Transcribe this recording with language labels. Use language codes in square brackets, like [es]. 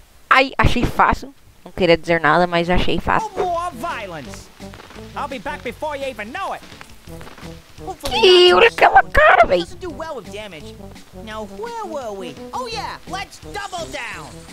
[pt] Ai, achei fácil. Não queria dizer nada, mas achei fácil. [en] No more violence. I'll be back before you even know it. [pt] Hopefully que cara, velho. [en] Doesn't do well with damage. Now where were we? Oh yeah, let's double down.